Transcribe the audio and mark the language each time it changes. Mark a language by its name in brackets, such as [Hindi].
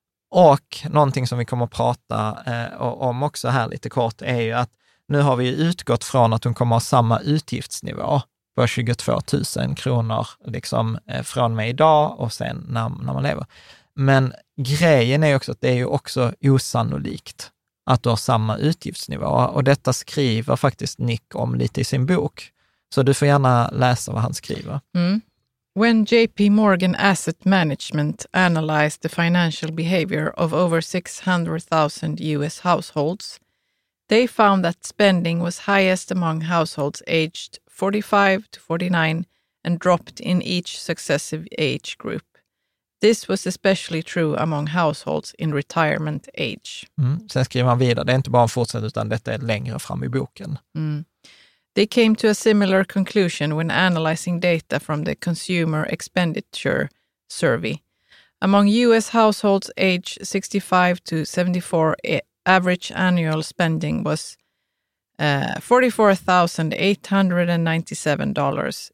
[Swedish] Och någonting som vi kommer att prata om också här lite kort är ju att nu har vi utgått från att hon kommer ha samma utgiftsnivå på 22 000 kronor liksom, från mig idag och sen när man lever. Men grejen är också att det är ju också osannolikt att du har samma utgiftsnivå. Och detta skriver faktiskt Nick om lite i sin bok. Så du får gärna läsa vad han skriver. Mm. [English] When JP Morgan Asset Management analyzed the financial behavior of over 600,000 US households, they found that spending was highest among households aged 45 to 49 and dropped in each successive age group. This was especially true among households in retirement age. Mm. [Swedish] Sen skriver man vidare, det är inte bara en fortsätt utan detta är längre fram i boken. Mm. [English] They came to a similar conclusion when analyzing data from the Consumer Expenditure Survey. Among US households age 65 to 74, average annual spending was $44,897.